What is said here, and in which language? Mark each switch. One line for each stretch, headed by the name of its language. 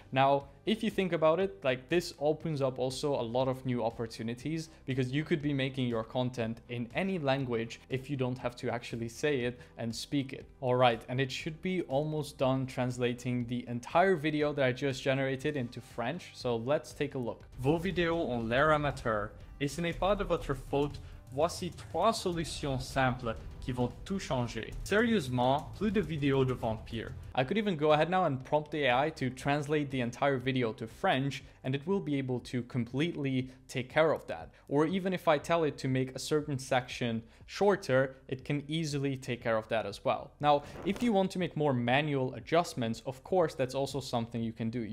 English: Now, if you think about it, like this opens up also a lot of new opportunities because you could be making your content in any language if you don't have to actually say it and speak it. All right, and it should be almost done translating the entire video that I just generated into French. So let's take a look.
French: Vos vidéos ont l'air amateur, et ce n'est pas de votre faute. Voici trois solutions simples qui vont tout changer. Sérieusement, plus de vidéos de vampires.
English: I could even go ahead now and prompt the AI to translate the entire video to French, and it will be able to completely take care of that. Or even if I tell it to make a certain section shorter, it can easily take care of that as well. Now, if you want to make more manual adjustments, of course, that's also something you can do.